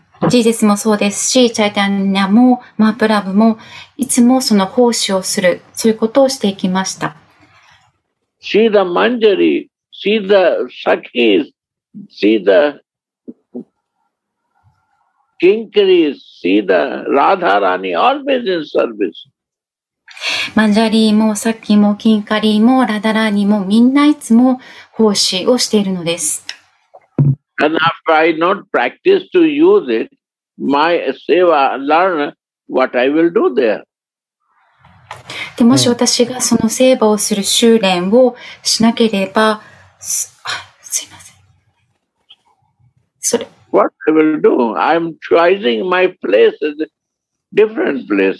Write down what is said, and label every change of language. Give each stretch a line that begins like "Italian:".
Japanese: Jesus もそうですし、チャイタンニャもマープラブもいつもその奉仕をする、そういうことをしていきました。
English: See the Manjari, see the Sakhis, see the Kinkaris, see the Radharani, always in service.
Japanese: Manjari も Sakhi も Kinkari も Radharani もみんないつも奉仕をしているのです。
English: And after I not practice to use it, my seva learn what I will do there.
Japanese: でもし私がそのセーバをする修練をしなければ、すいません。それ。
English: What I will do? I'm choosing my place as a different place.